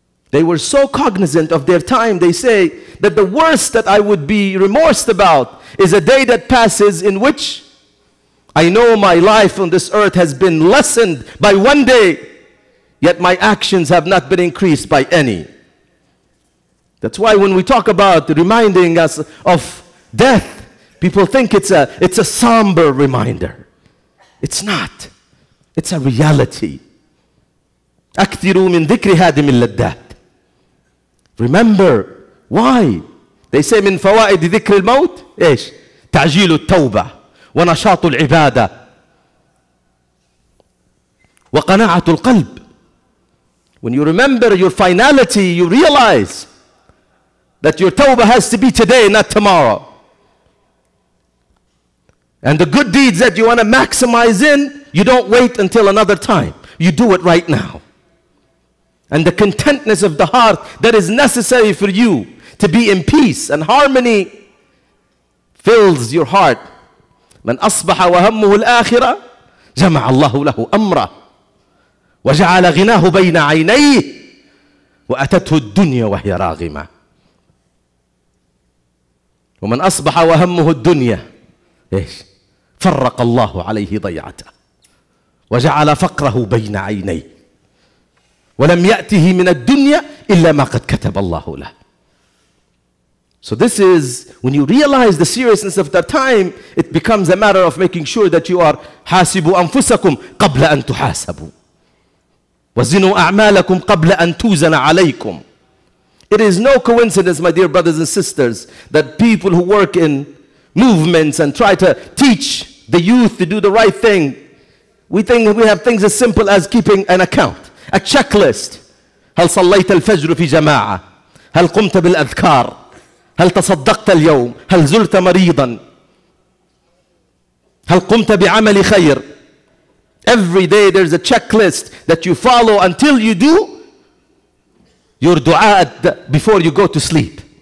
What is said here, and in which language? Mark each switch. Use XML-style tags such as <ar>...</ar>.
<en>They were so cognizant of their time, they say, that the worst that I would be remorsed about is a day that passes in which I know my life on this earth has been lessened by one day, yet my actions have not been increased by any. That's why when we talk about reminding us of death, people think it's a somber reminder. It's not. It's a reality.</en> <ar>أكثروا من ذكر هذه من الدهر.</ar> <en>Remember, why? They say,</en> <ar>من فوائد ذكر الموت, إيش؟ تعجيل التوبة ونشاط العبادة وقناعة القلب.</ar> <en>When you remember your finality, you realize that your tawbah has to be today, not tomorrow. And the good deeds that you want to maximize in, you don't wait until another time. You do it right now. And the contentness of the heart that is necessary for you to be in peace and harmony fills your heart.</en> <ar>من أصبح وهمه الآخرة جمع الله له أمره وجعل غناه بين عينيه وأتته الدنيا وهي راغمة. ومن أصبح وهمه الدنيا إيش فرق الله عليه ضيعته وجعل فقره بين عينيه وَلَمْ يَأْتِهِ مِنَ الدُّنْيَا إِلَّا مَا قَدْ كَتَبَ اللَّهُ لَهُ.</ar> <en>So this is, when you realize the seriousness of that time, it becomes a matter of making sure that you are</en> <ar>حَاسِبُوا أَنفُسَكُمْ قَبْلَ أَن تُحَاسَبُوا وَزِنُوا أَعْمَالَكُمْ قَبْلَ أَن تُوزَنَ عَلَيْكُمْ.</ar> <en>It is no coincidence, my dear brothers and sisters, that people who work in movements and try to teach the youth to do the right thing, we think we have things as simple as keeping an account. A checklist.</en> <ar>هل صليت الفجر في جماعة؟ هل قمت بالأذكار؟ هل تصدقت اليوم؟ هل زرت مريضا؟ هل قمت بعمل خير؟</ar> <en>Every day there's a checklist that you follow until you do your dua before you go to sleep.</en>